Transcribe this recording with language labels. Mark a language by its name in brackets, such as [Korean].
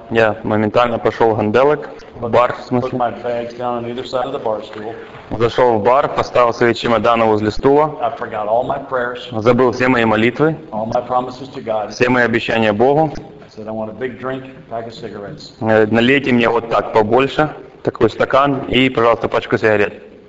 [Russian] Я моментально пошел в Ганделек, в бар, в смысле. [English] Put my bags down on either side of the bar stool. [Russian] Зашел в бар, поставил свои чемоданы возле стула. [English] I forgot all my prayers. [Russian] Забыл все мои молитвы. [English] All my promises to God. [Russian] Все мои обещания Богу. [English] I said, I want a big drink, pack of cigarettes. [Russian] Налейте мне вот так побольше, такой стакан, и, пожалуйста, пачку сигарет.